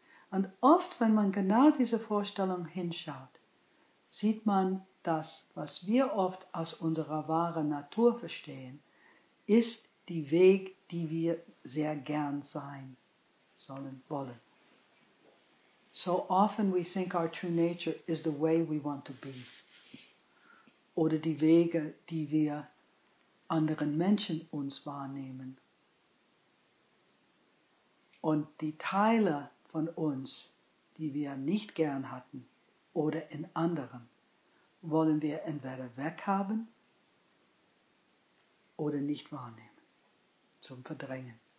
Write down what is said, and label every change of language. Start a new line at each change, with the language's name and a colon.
German: Und oft, wenn man genau diese Vorstellung hinschaut, sieht man, dass, was wir oft aus unserer wahren Natur verstehen, ist der Weg, den wir sehr gern sein sollen, wollen.
English: So often we think our true nature is the way we want to be.
German: Oder die Wege, die wir anderen Menschen uns wahrnehmen. Und die Teile von uns, die wir nicht gern hatten, oder in anderen, wollen wir entweder weghaben oder nicht wahrnehmen, zum Verdrängen.